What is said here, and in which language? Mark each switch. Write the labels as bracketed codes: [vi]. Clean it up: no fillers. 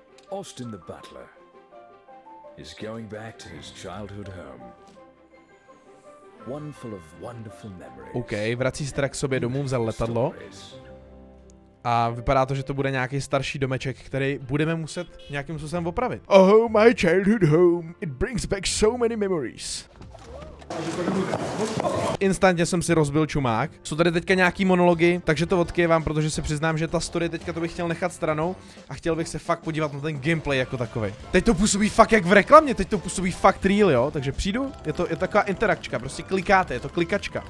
[en] Austin the Butler is going back to his childhood home. One full of wonderful memories. [cs] OK, vrací se teda k sobě domů, vzal letadlo. A vypadá to, že to bude nějaký starší domeček, který budeme muset nějakým způsobem opravit. [en] Oh, my childhood home. It brings back so many memories. [cs] Instantně jsem si rozbil čumák. Jsou tady teďka nějaký monology, takže to odkývám, protože se přiznám, že ta story teďka to bych chtěl nechat stranou a chtěl bych se fakt podívat na ten gameplay jako takový. Teď to působí fakt jak v reklamě, teď to působí fakt real, jo, takže přijdu, je to taková interakčka, prostě klikáte, je to klikačka.